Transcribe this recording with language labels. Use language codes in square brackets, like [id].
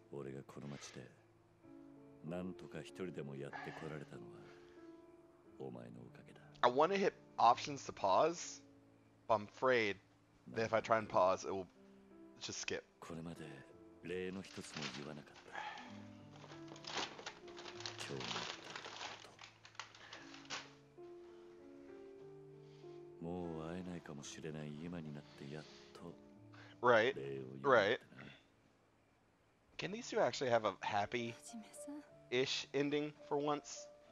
[ja] 俺がこの街で何とか一人でもやってこられたのはお前のおかげだ。 [en] I want to hit options to pause, but I'm afraid that if I try and pause, it will just skip. [ja] これまで例の一つも言わなかった。今日のこと。もう会えないかもしれない今になってやっと [en] Right. [ja] 例を言われたな。 [en] Right. Can these two actually have a happy ish ending for once?